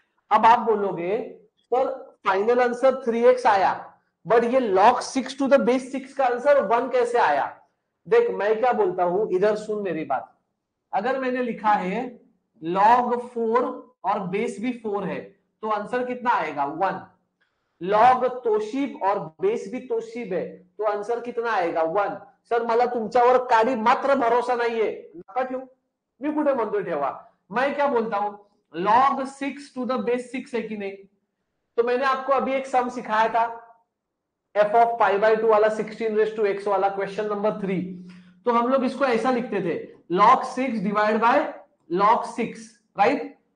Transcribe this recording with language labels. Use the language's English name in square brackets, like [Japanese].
[Hindi] अब आप बोलोगे सर फाइनल आंसर 3x आया बट ये log 6 टू द बेस 6 का आंसर 1 कैसे आया? देख मैं क्या बोलता हूं, इधर सुन मेरी बात। अगर मैंने लिखा है log 4 और बेस भी 4 है तो आंसर कितना आएगा 1। लॉग तोशिब और बेस भी तोशिब है तो आंसर कितना आएगा 1। [Marathi] सर मला तुमच्यावर काही मात्र भरोसा नाहीये, नका ठेव, मी कुठे म्हणतोय ठेवा। [Hindi] मैं क्या बोलता हूं, लॉग 6 टू द बेस 6 है कि नहीं? तो मैंने आपको अभी एक सम सिखाया था एफ ऑफ पाई बाय 2 वाला 16 रेस टू एक्स वाला क्वेश्चन नंबर 3। तो हम लोग इसको ऐसा लिखते थे log 6 divide by log 6, right?